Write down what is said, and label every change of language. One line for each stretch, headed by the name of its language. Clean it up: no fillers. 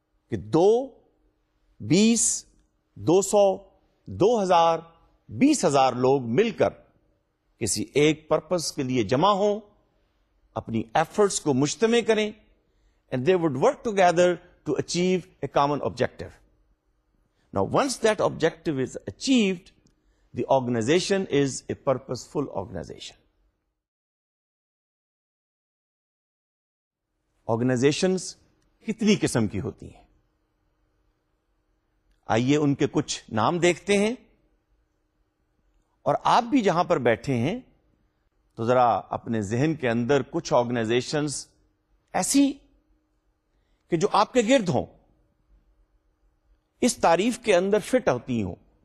Urdu: کہ دو, بیس, دو سو, دو ہزار, بیس ہزار لوگ مل کر کسی ایک پرپس کے لیے جمع ہوں, اپنی ایفرٹس کو مجتمع کریں,
English: And they would work together to achieve a common objective. Now, once that objective is achieved, the organization is a purposeful organization.
Urdu: Organizations کتنی قسم کی ہوتی ہیں, آئیے ان کے کچھ نام دیکھتے ہیں. اور آپ بھی جہاں پر بیٹھے ہیں تو ذرا اپنے ذہن کے اندر کچھ organizations ایسی کہ جو آپ کے گرد ہوں, اس تعریف کے اندر فٹ ہوتی ہوں.